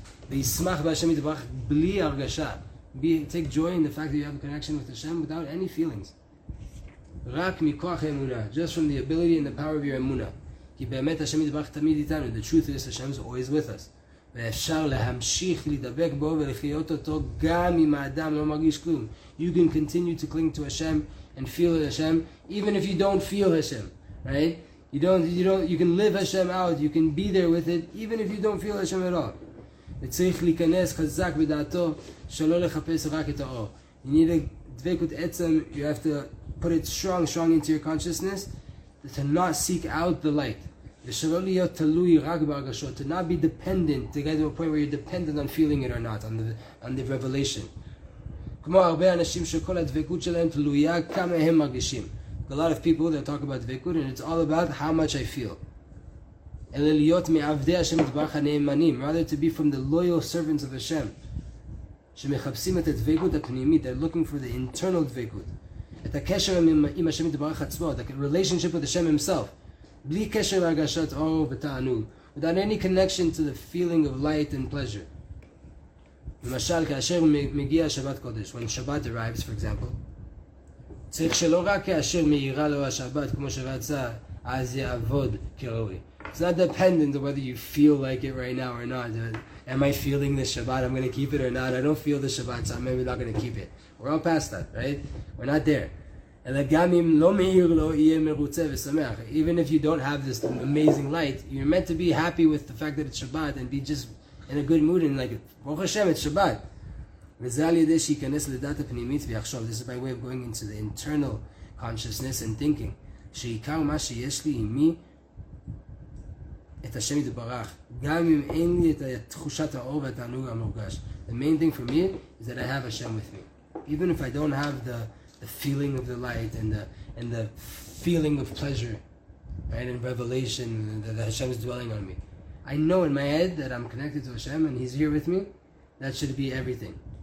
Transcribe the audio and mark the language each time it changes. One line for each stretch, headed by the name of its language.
Hebrew: וישמח בהשם יתברך בלי הרגשה,
English: take joy in the fact that you have a connection with Hashem without any feelings,
Hebrew: רק מכוח האמונה,
English: just from the ability and the power of your אמונה,
Hebrew: כי באמת השם יתברך תמיד איתנו,
English: the truth is Hashem is always with us,
Hebrew: ואפשר להמשיך לדבק בו ולחיות אותו גם אם האדם לא מרגיש כלום.
English: You can continue to cling to Hashem and feel Hashem even if you don't feel Hashem, right? You can live Hashem out, you can be there with it even if you don't feel Hashem at all.
Hebrew: וצריך להיכנס חזק בדעתו שלא לחפש רק את האור.
English: You need a דבקות עצם, you have to put it strong into your consciousness to not seek out the light.
Hebrew: ושלא להיות תלוי רק ברגשות,
English: to not be dependent, to get to a point where you're dependent on feeling it or not, on the revelation.
Hebrew: כמו הרבה אנשים שכל הדבקות שלהם תלויה כמה הם מרגישים.
English: A lot of people, they talk about דבקות, and it's all about how much I feel.
Hebrew: אלא להיות מעבדי השם יתברך הנאמנים,
English: rather to be from the loyal servants of Hashem,
Hebrew: שמחפשים את הדבקות הפנימית,
English: they're looking for the internal דבקות,
Hebrew: את הקשר עם השם יתברך עצמו,
English: the relationship with Hashem himself,
Hebrew: בלי קשר להרגשת אור ותענוג,
English: without any connection to the feeling of light and pleasure.
Hebrew: למשל, כאשר מגיע שבת קודש,
English: when Shabbat arrives, for example,
Hebrew: צריך שלא רק כאשר מאירה לו השבת כמו שרצה, אז יעבוד כראוי.
English: It's not dependent on whether you feel like it right now or not. Am I feeling the Shabbat? I'm going to keep it or not? I don't feel the Shabbat, so I'm maybe not going to keep it. We're all past that, right? We're not there.
Hebrew: אלא גם אם לא מאיר לו, יהיה מרוצה ושמח.
English: Even if you don't have this amazing light, you're meant to be happy with the fact that it's Shabbat and be just in a good mood and like, ברוך השם, it's Shabbat.
Hebrew: וזה על ידי שיכנס לדעת הפנימית ויחשוב.
English: This is by way of going into the internal consciousness and thinking.
Hebrew: שעיקר מה שיש לי עם מי, את השם יתברך. גם אם אין לי את תחושת האור והתענוג המורגש.
English: The main thing for me is that I have Hashem with me. Even if I don't have the feeling of the light and the feeling of pleasure, right, and revelation that Hashem is dwelling on me. I know in my head that I'm connected to Hashem and He's here with me. That should be everything.